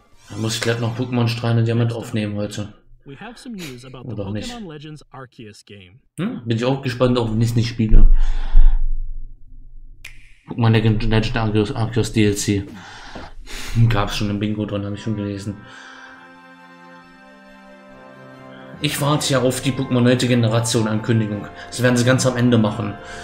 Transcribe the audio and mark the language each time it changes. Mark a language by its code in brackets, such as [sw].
[de] Da muss ich gleich noch Pokémon Strahlen und Diamant aufnehmen heute. [en] We have some news about the Pokémon Legends Arceus game. [de] Bin ich auch gespannt, ob ich es nicht spiele. Pokémon Legends Arceus DLC. Gab's schon im Bingo drin, habe ich schon gelesen. Ich warte ja auf die Pokémon-neute Generation-Ankündigung. Das werden sie ganz am Ende machen.